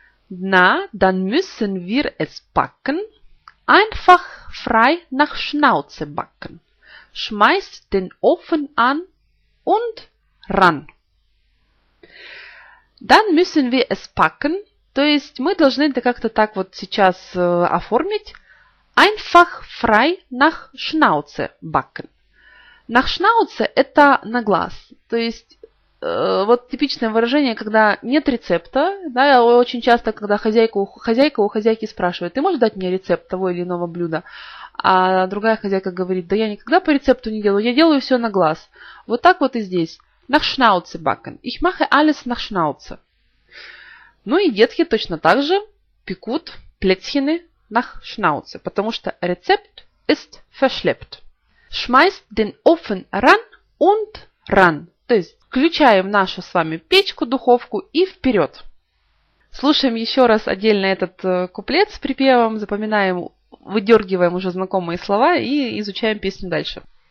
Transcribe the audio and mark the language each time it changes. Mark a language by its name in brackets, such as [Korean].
[German] Na, dann müssen wir es packen, einfach frei nach Schnauze backen. Schmeißt den Ofen an und ran. Dann müssen wir es packen. [Russian] То есть мы должны это как-то так вот сейчас оформить. [German] Einfach frei nach Schnauze backen. Nach Schnauze [Russian] – это на глаз. То есть вот типичное выражение, когда нет рецепта. Да, очень часто, когда хозяйка у хозяйки спрашивает, ты можешь дать мне рецепт того или иного блюда? А другая хозяйка говорит, да я никогда по рецепту не делаю, я делаю все на глаз. Вот так вот и здесь. [German] Nach Schnauze backen. Ich mache alles nach Schnauze. [Russian] Ну и детки точно так же пекут плетьхены [German] nach Schnauze, [Russian] потому что рецепт [German] ist verschleppt. Schmeißt den Ofen ran und ran. [Russian] То есть включаем нашу с вами печку, духовку и вперед. Слушаем еще раз отдельно этот куплет с припевом, запоминаем, выдергиваем уже знакомые слова и изучаем песню дальше.